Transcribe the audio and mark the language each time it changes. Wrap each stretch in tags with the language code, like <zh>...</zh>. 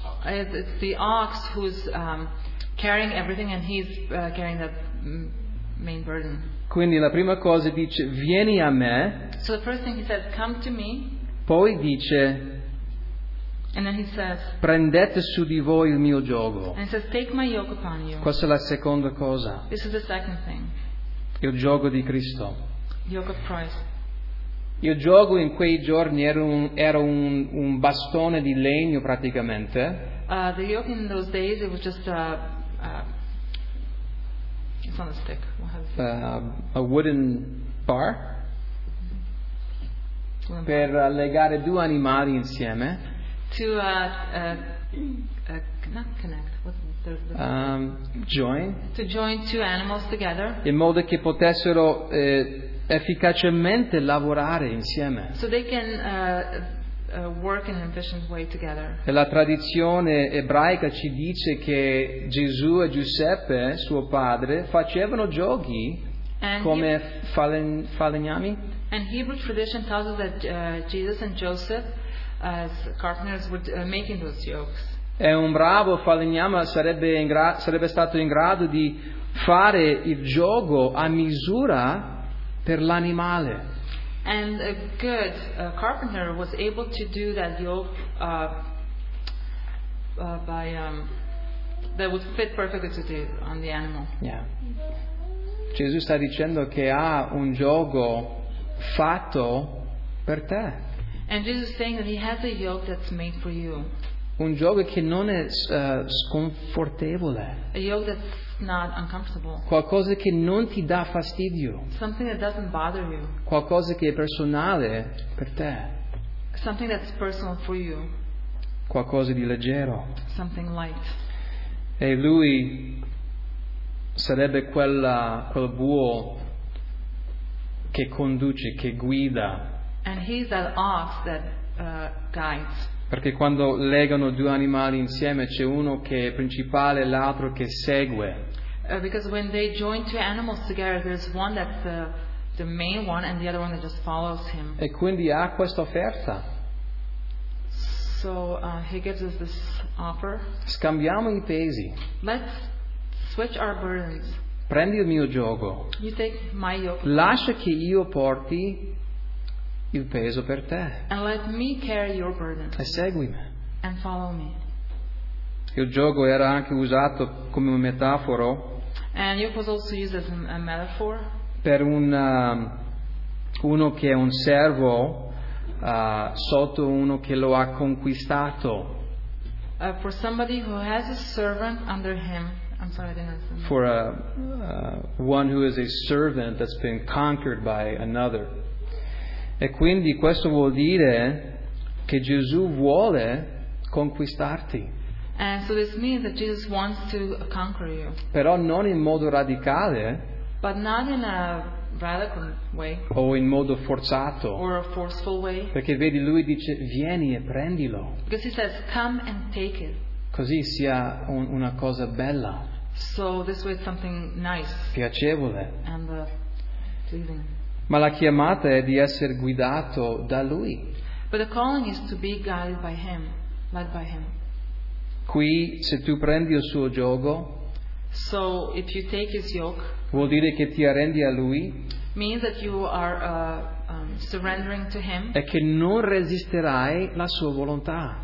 <en>It's the ox who's carrying everything, and he's carrying the main burden.</en> <it>Quindi la prima cosa dice: vieni a me.</it> <en>So the first thing he says: come to me.</en> <it>Poi dice:</it> <en>and then he says,</en> <it>prendete su di voi il mio giogo.</it> <en>And he says, take my yoke upon you.</en> <it>Questa è la seconda cosa.</it> <en>This is the second thing.</en> <it>Il giogo di Cristo.</it> <en>Yoke of Christ.</en> <it>Il giogo in quei giorni era un bastone di legno praticamente.</it> <en>The yoke in those days, it was just it's on a stick. A wooden bar.</en> <it>Per legare due animali insieme.</it> <en>To not connect. Join. To join two animals together.</en> <it>In modo che potessero efficacemente lavorare insieme.</it> <en>So they can work in an efficient way together.</en> <it>E la tradizione ebraica ci dice che Gesù e Giuseppe, suo padre, facevano giochi come falegnami.</it> <en>And Hebrew tradition tells us that Jesus and Joseph, as carpenters, would making those yokes.</en> <it>È un bravo falegname, sarebbe stato in grado di fare il giogo a misura per l'animale.</it> <en>And a good carpenter was able to do that yoke that would fit perfectly to on the animal. Yeah.</en> <it>Gesù sta dicendo che ha un giogo fatto per te.</it> <en>And Jesus is saying that he has a yoke that's made for you.</en> <it>Un giogo che non è sconfortevole.</it> <en>A yoke that's not uncomfortable.</en> <it>Qualcosa che non ti dà fastidio.</it> <en>Something that doesn't bother you.</en> <it>Qualcosa che è personale per te.</it> <en>Something that's personal for you.</en> <it>Qualcosa di leggero.</it> <en>Something light.</en> <it>E lui sarebbe quel buo che conduce, che guida.</it> <en>And he's that ox that guides.</en> <it>Perché quando legano due animali insieme c'è uno che è principale e l'altro che segue.</it> <en>Because when they join two animals together, there's one that's the main one and the other one that just follows him.</en> <it>E quindi ha questa offerta.</it> <en>So he gives us this offer.</en> <it>Scambiamo i pesi.</it> <en>Let's switch our burdens.</en> <it>Prendi il mio giogo.</it> <en>You take my yoke.</en> <it>Lascia che io porti il peso per te.</it> <en>And let me carry your burden.</en> <it>E seguimi.</it> <en>And follow me.</en> <it>Il giogo era anche usato come un metaforo.</it> <en>And it was also used as a metaphor.</en> <it>Per uno che è un servo sotto uno che lo ha conquistato.</it> <en>For somebody who has a servant under him. I'm sorry, I didn't understand. For one who is a servant that's been conquered by another.</en> <it>E quindi questo vuol dire che Gesù vuole conquistarti.</it> <en>And so this means that Jesus wants to conquer you.</en> <it>Però non in modo radicale.</it> <en>But not in a radical way.</en> <it>O in modo forzato.</it> <en>Or a forceful way.</en> <it>Perché vedi, lui dice: vieni e prendilo.</it> <en>Because he says, come and take it.</en> <it>Così sia una cosa bella.</it> <en>So this way it's something nice.</en> <it>Piacevole.</it> <en>And pleasing.</en> <it>Ma la chiamata è di essere guidato da Lui.</it> <en>But the calling is to be guided by Him, led by Him.</en> <it>Qui, se tu prendi il suo giogo,</it> <en>so if you take His yoke,</en> <it>vuol dire che ti arrendi a Lui.</it> <en>Means that you are surrendering to Him.</en> <it>E che non resisterai la sua volontà.</it>